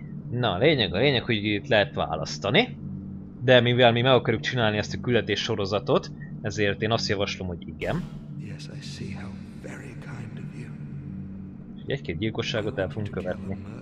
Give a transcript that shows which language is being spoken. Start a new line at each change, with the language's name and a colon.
Hungarian: Na, a lényeg, hogy itt lehet választani, de mivel mi meg akarjuk csinálni ezt a küldetés sorozatot, ezért én azt javaslom, hogy igen.
English: Yes, I see how very kind of you.
Hungarian: Egy-két gyilkosságot el fogunk követni.